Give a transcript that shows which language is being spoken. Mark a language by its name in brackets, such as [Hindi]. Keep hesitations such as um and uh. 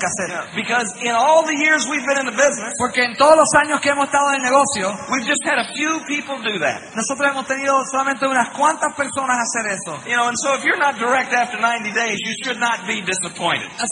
[English] Yeah, because in all the years we've been in the business, [Spanish] Porque en todos los años que hemos estado en negocio, [English] we've just had a few people do that. [Spanish] Nosotros hemos tenido solamente unas cuantas personas hacer eso. [English] You know, and so if you're not direct after 90 days, you should not be disappointed.